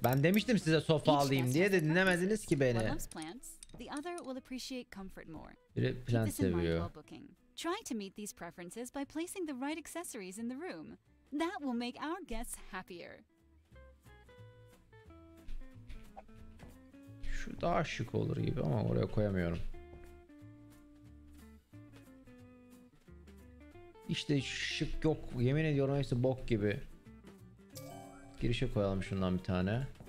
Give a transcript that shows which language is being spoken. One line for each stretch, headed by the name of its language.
Turkish: Ben demiştim size sofa alayım diye de dinlemediniz ki beni. Biri plan seviyor.
English: Try to meet these preferences by placing the right accessories in the room. That will make our guests happier.
Turkish: Şu daha şık olur gibi ama oraya koyamıyorum. İşte şık yok. Yemin ediyorum hepsi bok gibi. Girişe koyalım şundan bir tane.